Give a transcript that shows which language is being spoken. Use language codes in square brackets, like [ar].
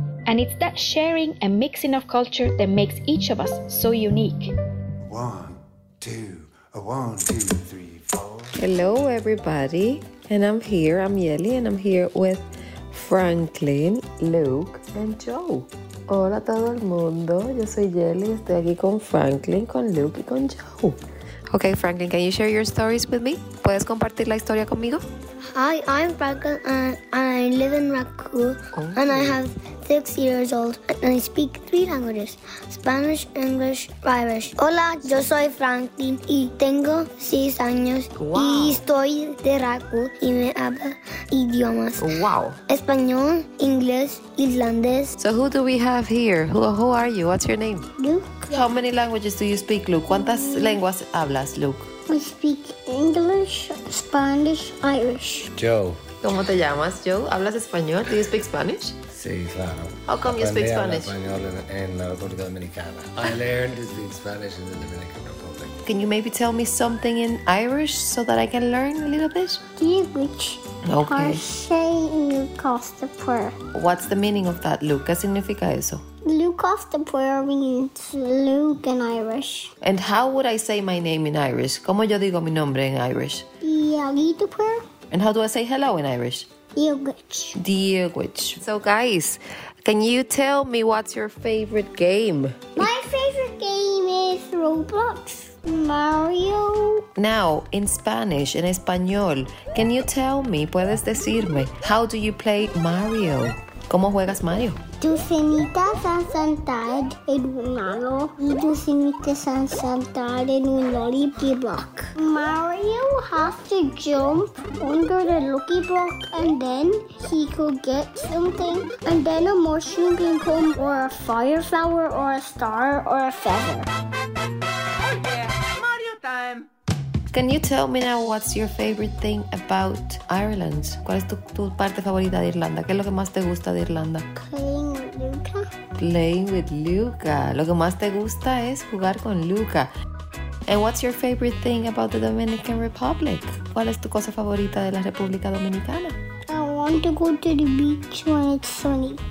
[en] And it's that sharing and mixing of culture that makes each of us so unique. One, two, three, four. Hello, everybody. And I'm here, I'm Yeli, and I'm here with Franklin, Luke, and Joe. [es] Hola, todo el mundo. Yo soy Yeli. Estoy aquí con Franklin, con Luke y con Joe. [en] Okay, Franklin, can you share your stories with me? [es] ¿Puedes compartir la historia conmigo? [en] Hi, I'm Franklin, and I live in Raku, okay. And I have 6 years old, and I speak 3 languages, Spanish, English, Irish. [es] Hola, yo soy Franklin, y tengo 6 años, [en] wow. [es] Y estoy de Raku, y me habla idiomas. [en] Wow. [es] Español, inglés, islandés. [en] So who do we have here? Who are you? What's your name? Luke. How many languages do you speak, Luke? [es] ¿Cuántas lenguas hablas, Luke? [en] We speak English, Spanish, Irish. Joe. [es] ¿Cómo te llamas, Joe? ¿Hablas español? [en] ¿Do you speak Spanish? [es] Sí, claro. [en] How come you speak Spanish? [es] Aprendí a hablar español en la República Dominicana. [en] I learned to speak Spanish in the Dominican Republic. Can you maybe tell me something in Irish so that I can learn a little bit? Gibbich. Okay. Say Lucas the Poor. What's the meaning of that, Luke? [es] ¿Qué significa eso? [en] Lucas the Poor means Luke in Irish. And how would I say my name in Irish? [es] ¿Cómo yo digo mi nombre en Irish? [en] Yagi the Poor. And how do I say hello in Irish? Dieguich. Dieguich. So guys, can you tell me what's your favorite game? My favorite game is Roblox. Mario. Now, in Spanish, in Español, can you tell me, [es] puedes decirme, [en] how do you play Mario? [es] ¿Cómo juegas Mario? Tus cenitas han saltado en un aro y tus cenitas han saltado en un lucky block. [en] Mario has to jump under the lucky block and then he could get something. And then a mushroom can come or a fire flower or a star or a feather. Can you tell me now what's your favorite thing about Ireland? [es] ¿Cuál es tu parte favorita de Irlanda? ¿Qué es lo que más te gusta de Irlanda? [en] Playing with Luca. Playing with Luca. [es] Lo que más te gusta es jugar con Luca. [en] And what's your favorite thing about the Dominican Republic? [es] ¿Cuál es tu cosa favorita de la República Dominicana? [en] I want to go to the beach when it's sunny.